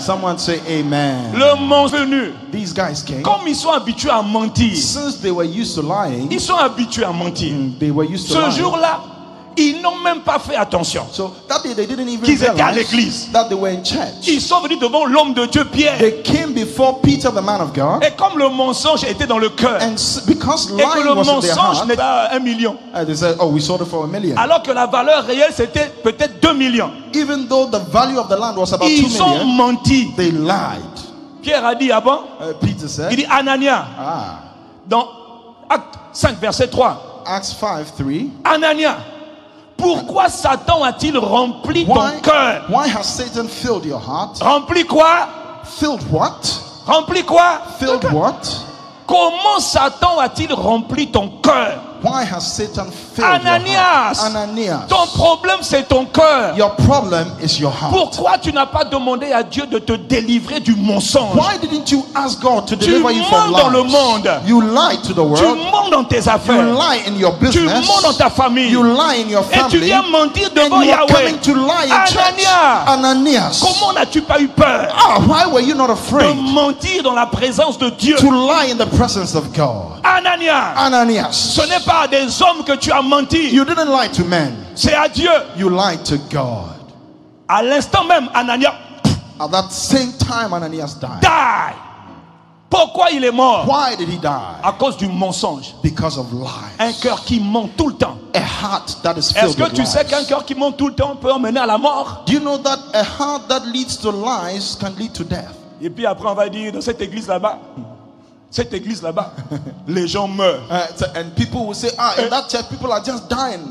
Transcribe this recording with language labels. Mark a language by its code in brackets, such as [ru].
[en] Someone say amen. [fr] Le mensonge. [en] These guys came. [fr] Comme ils sont habitués à mentir. [en] Since they were used to lying. [fr] Ils sont habitués à mentir. [en] They were used to [fr] ce [en] lying. [fr] Jour-là, ils n'ont même pas fait attention. [en] So that day they didn't even realize [fr] qu'ils étaient à l'église. [en] That they were in church. [fr] Ils sont venus devant l'homme de Dieu Pierre. [en] They came before Peter, the man of God. [fr] Et comme le mensonge était dans le cœur. [en] And because lying was in their heart. [fr] Et que le mensonge n'est pas 1 million. [en] They said, oh, we sold it for 1 million. [fr] Alors que la valeur réelle c'était peut-être 2 million. [en] Even though the value of the land was about 2 million. [fr] Ils ont menti. [en] They lied. [fr] Pierre a dit, ah bon? [en] Peter said. [fr] Il dit Anania. Ah. Dans Acte 5 verset 3. [en] Acts 5 3. [fr] Anania. Pourquoi Satan a-t-il rempli ton cœur? [en] Why has Satan filled your heart? [fr] Rempli quoi? [en] Filled what? [fr] Rempli quoi? [en] Filled what? [fr] Comment Satan a-t-il rempli ton cœur? [en] Why has Satan filled Ananias, your heart? Ananias, [fr] ton problème c'est ton cœur. [en] Your problem is your heart. [fr] Pourquoi tu n'as pas demandé à Dieu de te délivrer du mensonge? [en] Why didn't you ask God to deliver you from lies? [fr] Tu mens dans le monde. [en] You lie to the world. [fr] Tu mens dans tes affaires. [en] You lie in your business. [fr] Tu mens dans ta famille. [en] You lie in your family. [fr] Et tu viens mentir devant [en] and Yahweh. You're coming to lie in Ananias, church. Ananias, [fr] comment n'as-tu pas eu peur? [en] Oh, why were you not afraid? [fr] De mentir dans la présence de Dieu. [en] To lie in the presence of God. [fr] Ananias, Ananias, ce n'est pas à des hommes que tu as menti. [en] You didn't lie to men. [fr] C'est à Dieu. [en] You lied to God. [fr] À l'instant même, Ananias. [en] At that same time, Ananias died. Die. [fr] Pourquoi il est mort? [en] Why did he die? [fr] À cause du mensonge. [en] Because of lies. [fr] Un cœur qui ment tout le temps. [en] A heart that is filled with lies. [fr] Est-ce que tu sais qu'un cœur qui ment tout le temps peut emmener à la mort? [en] Do you know that a heart that leads to lies can lead to death? [fr] Et puis après on va dire dans cette église là-bas. Cette église là-bas, les gens meurent. [en] And people will say, ah, in that church, people are just dying.